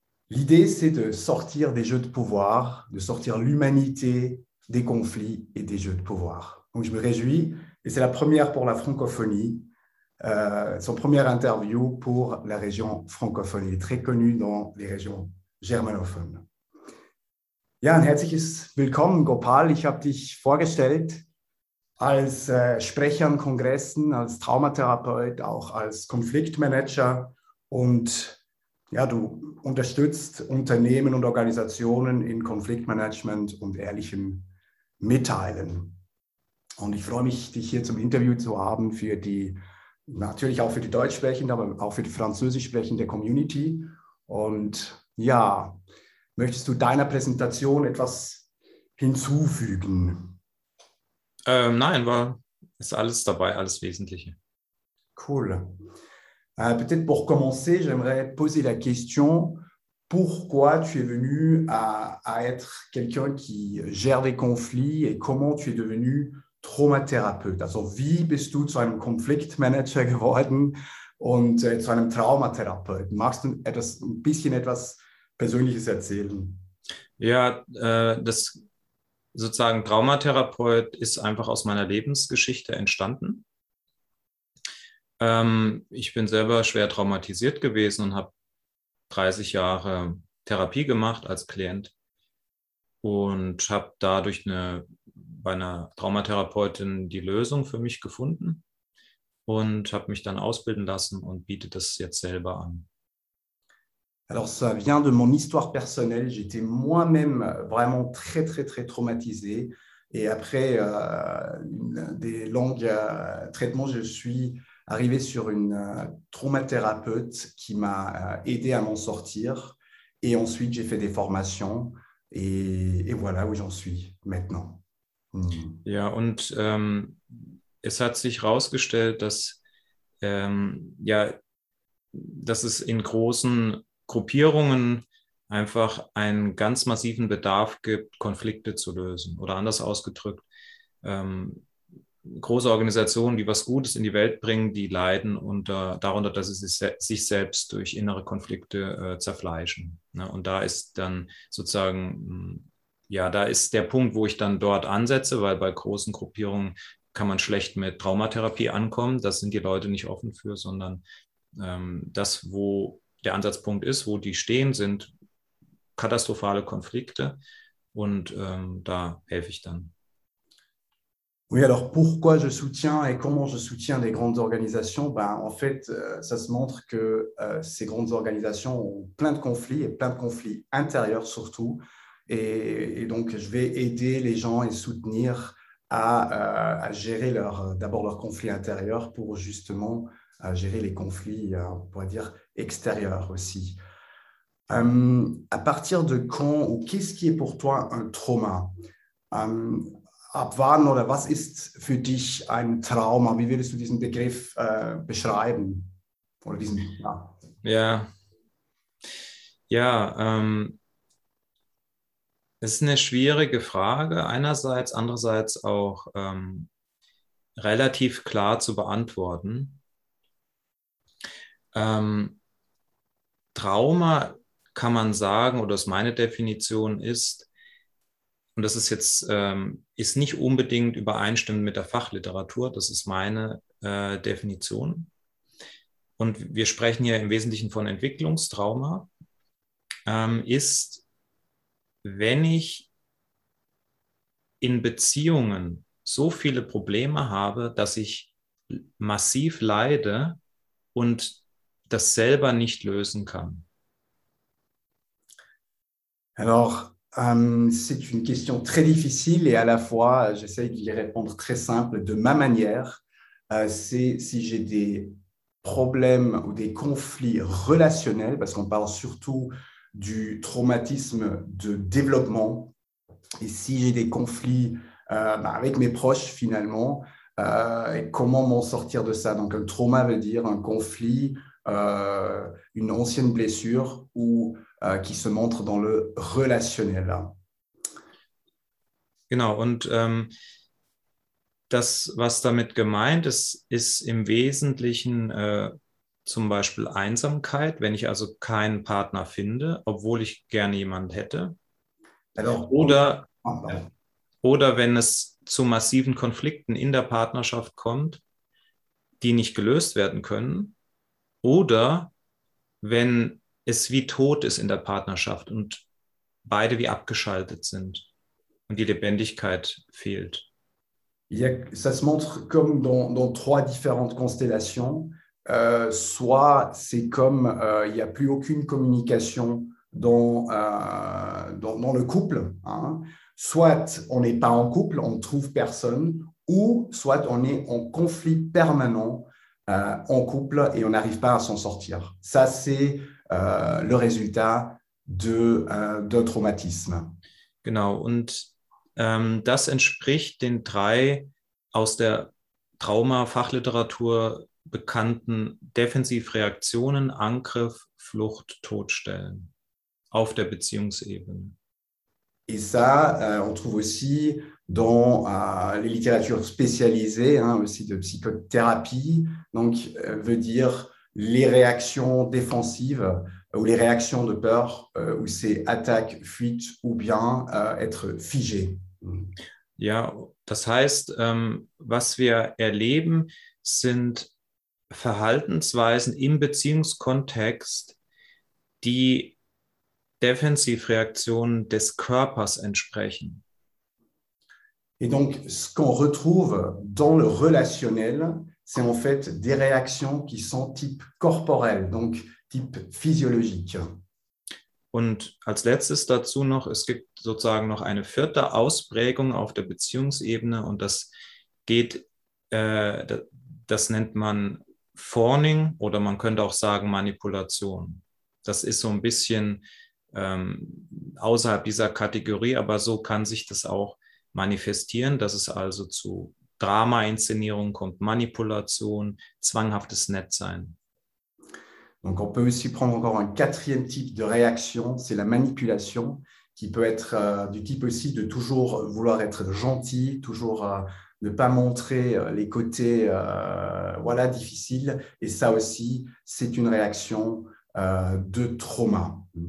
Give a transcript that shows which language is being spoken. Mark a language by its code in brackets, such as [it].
[fr] L'idée, c'est de sortir des jeux de pouvoir, de sortir l'humanité des conflits et des jeux de pouvoir. Donc, je me réjouis, et c'est la première pour la francophonie, son première interview pour la région francophone. Il est très connu dans les régions germanophones. [de] Ja, ein herzliches Willkommen, Gopal. Ich habe dich vorgestellt als Sprecher an Kongressen, als Traumatherapeut, auch als Konfliktmanager. Und ja, du unterstützt Unternehmen und Organisationen in Konfliktmanagement und ehrlichem Mitteilen. Und ich freue mich, dich hier zum Interview zu haben für die, natürlich auch für die deutsch sprechende, aber auch für die französisch sprechende Community. Und ja, möchtest du deiner Präsentation etwas hinzufügen? Nein, war ist alles dabei, alles Wesentliche. Cool. [fr] Peut-être pour commencer, j'aimerais poser la question, pourquoi tu es venu à être quelqu'un qui gère des conflits et comment tu es devenu traumathérapeute? [de] Also, wie bist du zu einem Konfliktmanager geworden und zu einem Traumatherapeut? Magst du etwas, ein bisschen etwas Persönliches erzählen? Ja, das sozusagen Traumatherapeut ist einfach aus meiner Lebensgeschichte entstanden. Ich bin selber schwer traumatisiert gewesen und habe 30 Jahre Therapie gemacht als Klient und habe dadurch bei einer Traumatherapeutin die Lösung für mich gefunden und habe mich dann ausbilden lassen und biete das jetzt selber an. [fr] Alors, ça vient de mon histoire personnelle. J'étais moi-même vraiment très, très, très traumatisé. Et après des longs traitements, je suis arrivé sur une traumathérapeute qui m'a aidé à m'en sortir. Et ensuite, j'ai fait des formations. Et voilà où j'en suis maintenant. [de] Ja, und es hat sich herausgestellt, dass, ja, dass es in großen Gruppierungen einfach einen ganz massiven Bedarf gibt, Konflikte zu lösen. Oder anders ausgedrückt, große Organisationen, die was Gutes in die Welt bringen, die leiden darunter, dass sie sich selbst durch innere Konflikte zerfleischen. Ne? Und da ist dann sozusagen. Ja, da ist der Punkt, wo ich dann dort ansetze, weil bei großen Gruppierungen kann man schlecht mit Traumatherapie ankommen. Das sind die Leute nicht offen für, sondern das, wo der Ansatzpunkt ist, wo die stehen, sind katastrophale Konflikte und da helfe ich dann. [fr] Oui, alors pourquoi je soutiens et comment je soutiens les grandes organisations? Ben, en fait, ça se montre que ces grandes organisations ont plein de conflits et plein de conflits intérieurs surtout. Et donc, je vais aider les gens et soutenir à gérer d'abord leurs conflits intérieurs pour justement gérer les conflits, on pourrait dire, extérieurs aussi. À partir de quand ou qu'est-ce qui est pour toi un trauma? [de] Ab wann oder was ist für dich ein Trauma? Wie würdest du diesen Begriff beschreiben? Oder diesen, ja. Ja, es ist eine schwierige Frage einerseits, andererseits auch relativ klar zu beantworten. Trauma kann man sagen, oder das meine Definition ist, und das ist jetzt ist nicht unbedingt übereinstimmend mit der Fachliteratur, das ist meine Definition. Und wir sprechen hier im Wesentlichen von Entwicklungstrauma, ist, wenn ich in Beziehungen so viele Probleme habe, dass ich massiv leide und das selber nicht lösen kann. [fr] Alors, c'est une question très difficile et à la fois, j'essaie d'y répondre très simple de ma manière. C'est si j'ai des problèmes ou des conflits relationnels, parce qu'on parle surtout du traumatisme de développement, et si j'ai des conflits avec mes proches finalement, et comment m'en sortir de ça? Donc, un trauma veut dire un conflit, une ancienne blessure ou qui se montre dans le relationnel. [de] Genau, und das, was damit gemeint ist, ist im Wesentlichen zum Beispiel Einsamkeit, wenn ich also keinen Partner finde, obwohl ich gerne jemand hätte. [fr] Alors, [de] Oder [fr] pardon. [de] wenn es zu massiven Konflikten in der Partnerschaft kommt, die nicht gelöst werden können. Oder wenn es wie tot ist in der Partnerschaft und beide wie abgeschaltet sind. Und die Lebendigkeit fehlt. [fr] Ça se montre comme dans trois différentes constellations. Soit c'est comme il n'y a plus aucune communication dans le couple, hein. Soit on n'est pas en couple, on ne trouve personne, ou soit on est en conflit permanent en couple et on n'arrive pas à s'en sortir. Ça, c'est le résultat de traumatisme. [de] Genau, und das entspricht den drei aus der Trauma-Fachliteratur bekannten Defensivreaktionen, Angriff, Flucht, Todstellen auf der Beziehungsebene. [fr] Et ça, on trouve aussi dans les littératures spécialisées, hein, aussi de psychothérapie, donc veut dire les réactions défensives ou les réactions de peur, où c'est attaque, fuite ou bien être figé. [de] Ja, das heißt, was wir erleben, sind Verhaltensweisen im Beziehungskontext, die Defensivreaktionen des Körpers entsprechen. [fr] Et donc, ce qu'on retrouve dans le relationnel, c'est en fait des réactions qui sont type corporel, donc type physiologique. [de] Und als letztes dazu noch, es gibt sozusagen noch eine vierte Ausprägung auf der Beziehungsebene und das geht, das nennt man Fawning oder man könnte auch sagen Manipulation. Das ist so ein bisschen außerhalb dieser Kategorie, aber so kann sich das auch manifestieren, dass es also zu Drama-Inszenierungen kommt, Manipulation, zwanghaftes Nettsein. [fr] Donc, on peut aussi prendre encore un quatrième type de réaction, c'est la manipulation, qui peut être du type aussi de toujours vouloir être gentil, toujours ne pas montrer les côtés voilà, difficiles. Et ça aussi, c'est une réaction de trauma.